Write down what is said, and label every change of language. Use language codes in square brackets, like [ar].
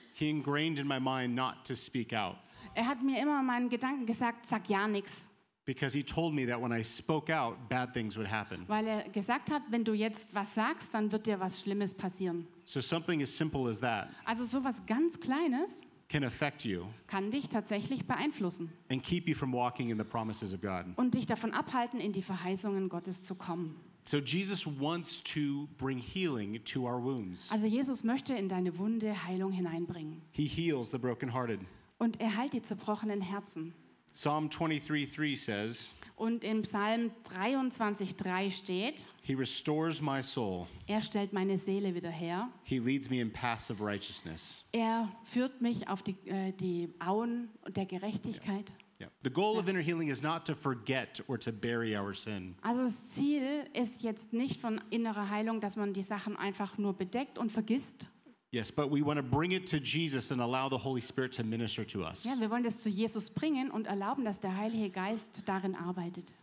[en] He ingrained in my mind not to speak out. [de] Er hat mir immer meinen Gedanken gesagt, sag ja nichts. [en] Because he told me that when I spoke out, bad things would happen. [de] Weil er gesagt hat, wenn du jetzt was sagst, dann wird dir was Schlimmes passieren. [en] So something as simple as that. [de] Also sowas ganz Kleines. [en] Can affect you. [de] Kann dich tatsächlich beeinflussen. [en] And keep you from walking in the promises of God. [de] Und dich davon abhalten, in die Verheißungen Gottes zu kommen. [en] So Jesus wants to bring healing to our wounds. [de] Also Jesus möchte in deine Wunde Heilung hineinbringen. [en] He heals the brokenhearted. [de] Und er heilt die zerbrochenen Herzen. [en] Psalm 23:3 says. [de] Und in Psalm 23:3 steht. [en] He restores my soul. [de] Er stellt meine Seele wieder her. [en] He leads me in paths of righteousness. [de] Er führt mich auf die Auen der Gerechtigkeit. [en] Yeah. Yeah. The goal of inner healing is not to forget or to bury our sin. [de] Also das Ziel ist jetzt nicht von innerer Heilung, dass man die Sachen einfach nur bedeckt und vergisst. [en] Yes, but we want to bring it to Jesus and allow the Holy Spirit to minister to us. [de] Ja, wir wollen das zu Jesus bringen und erlauben, dass der Heilige Geist darin arbeitet.